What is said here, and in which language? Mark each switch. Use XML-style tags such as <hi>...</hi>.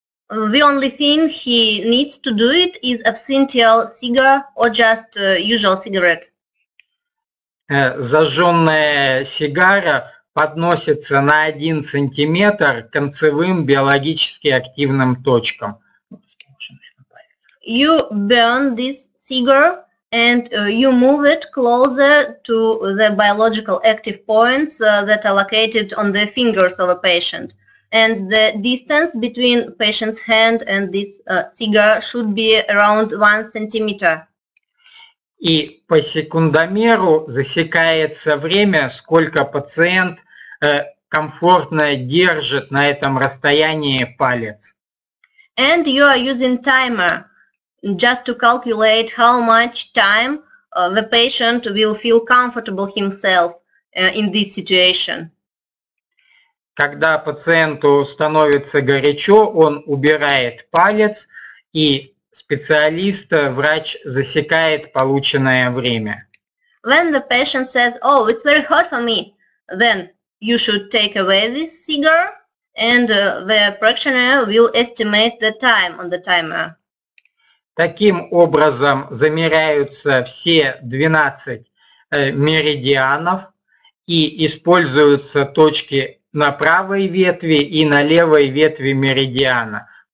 <en>The only thing he needs to do it is absinthial cigar or just usual cigarette.</en> <ru>Зажженная сигара подносится на 1 сантиметр концевым биологически активным точкам.</ru> <en>You burn this cigar and you move it closer to the biological active points that are located on the fingers of a patient. And the distance between patient's hand and this cigar should be around 1 centimeter.</en> <ru>И по секундомеру засекается время, сколько пациент комфортно держит на этом расстоянии палец.</ru> <en>And you are using timer just to calculate how much time the patient will feel comfortable himself in this situation.</en> <ru>Когда пациенту становится горячо, он убирает палец, и специалист, врач, засекает полученное время.</ru> <en>When the patient says, oh, it's very hot for me, then you should take away this cigar, and the practitioner will estimate the time on the timer.</en> <ru>Таким образом замеряются все 12 меридианов и используются точки на правой ветви и на левой ветви меридиана.</ru>